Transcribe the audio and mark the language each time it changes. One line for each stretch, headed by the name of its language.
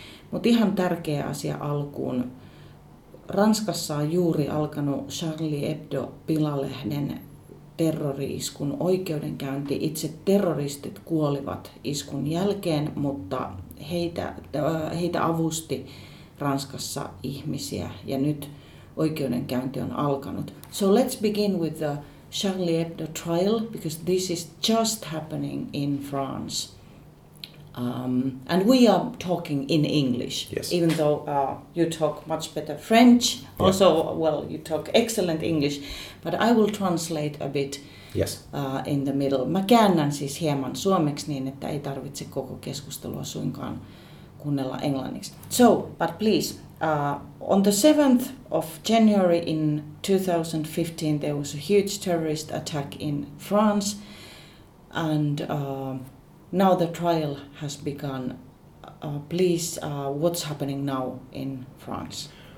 Finnish: Mutta ihan tärkeä asia alkuun. Ranskassa on juuri alkanut Charlie Hebdo-pilalehden terrori-iskun oikeudenkäynti. Itse terroristit kuolivat iskun jälkeen, mutta heitä avusti Ranskassa ihmisiä, ja nyt oikeudenkäynti on alkanut.
English: So let's begin with the Charlie Hebdo trial, because this is just happening in France. And we are talking in English, yes. Even though you talk much better French. Yeah. Also, well, you talk excellent English, but I will translate a bit. Yes. In the middle.
Finnish: Mä käännän siis hieman suomeksi niin, että ei tarvitse koko keskustelua suinkaan kuunnella englanniksi.
English: So, but please, on the 7th of January in 2015, there was a huge terrorist attack in France, and now the trial has begun. Please, what's happening now in France?